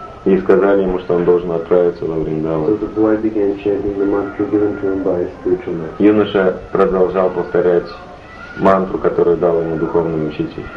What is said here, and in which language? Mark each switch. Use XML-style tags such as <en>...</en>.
<ru>И сказали ему, что он должен отправиться во Вриндаван.</ru> <en>So the boy began chanting the mantra given to him by his spiritual master.</en> <ru>Юноша продолжал повторять мантру, которую дал ему духовный учитель.</ru>